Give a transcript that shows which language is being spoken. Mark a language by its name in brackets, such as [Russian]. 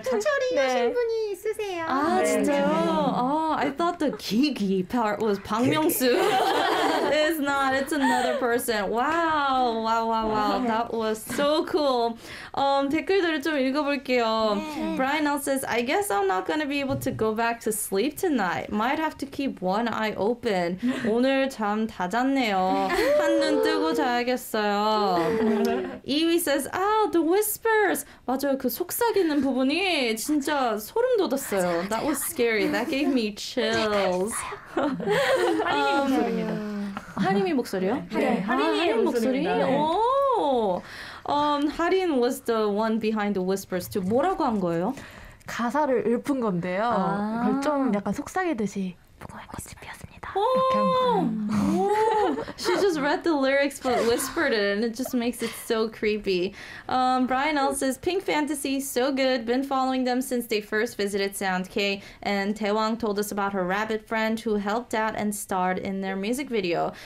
[Korean] 천철이 네, 하신 네, 분이 있으세요. 아 네, 진짜요? 네. 아, [English] I thought the 기기 part was 박명수. It's not. It's another person. Wow. Wow. Wow. Wow. That was so cool. [Korean] 댓글들을 좀 읽어볼게요. 네. [English] Brian L says, I guess I'm not going to be able to go back to sleep tonight. Might have to keep one eye open. [Korean] 오늘 잠 다 잤네요. 한눈 뜨고 자야겠어요. [English] Ewi says, oh, the whispers. [Korean] 맞아요. 그 속삭이는 부분이 진짜 소름 돋았어요. 맞아, [English] that was scary. That gave me chills. [Korean] 하림이 목소리입니다. 하림이 목소리요? 하림 목소리? 네. [English] 오, 하림 was the one behind the whispers too. [Korean] 뭐라고 한 거예요? 가사를 읊은 건데요. 아. 그걸 좀 약간 속삭이듯이 무거운 꽃이 피었습니다. 오, 오. [English] She just read the lyrics but whispered it and it just makes it so creepy. Brian L says, Pink Fantasy, so good. Been following them since they first visited Sound K. And Taewang told us about her rabbit friend who helped out and starred in their music video.